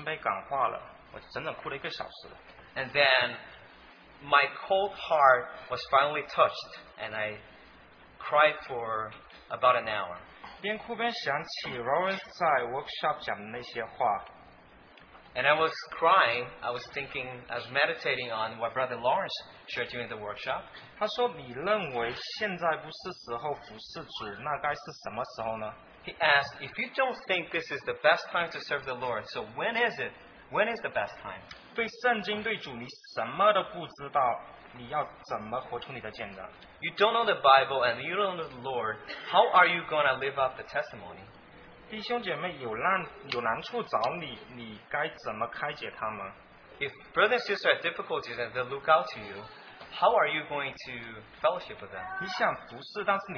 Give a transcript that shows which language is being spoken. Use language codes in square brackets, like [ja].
[zh] 终于这颗冰冷的心被感化了，我整整哭了一个小时了。 [en] And then my cold heart was finally touched, and I cried for about an hour. [zh] 边哭边想起Lawrence在workshop讲的那些话。 [en] And I was crying, I was meditating on what Brother Lawrence shared during the workshop. [zh] 他说，你认为现在不是时候服侍主，那该是什么时候呢？ [en] He asked, if you don't think this is the best time to serve the Lord, so when is it? When is the best time? [zh] 对圣经，对主，你什么都不知道。 [en] You don't know the Bible and you don't know the Lord. How are you going to live up the testimony? [zh] 弟兄姐妹有难处找你，你该怎么开解他们？ [en] If brothers and sisters have difficulties and they look out to you, how are you going to fellowship with them?